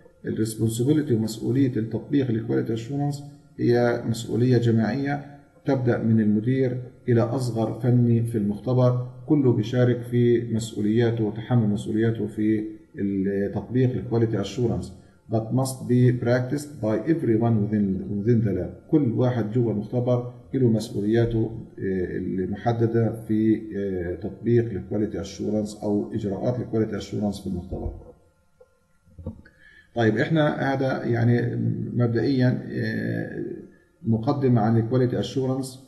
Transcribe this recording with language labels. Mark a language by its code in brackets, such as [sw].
[ar] responsibility ومسؤولية التطبيق للكواليتي أشورنس هي مسؤولية جماعية، تبدأ من المدير إلى أصغر فني في المختبر، كله بيشارك في مسؤولياته وتحمل مسؤولياته في التطبيق الكواليتي أشورنس. [en] But must be practiced by everyone within the lab. [ar] كل واحد جوا المختبر له مسؤولياته المحددة في تطبيق الكواليتي أشورنس أو إجراءات الكواليتي أشورنس في المختبر. طيب إحنا هذا يعني مبدئيا مقدمة عن الكواليتي أشورنس.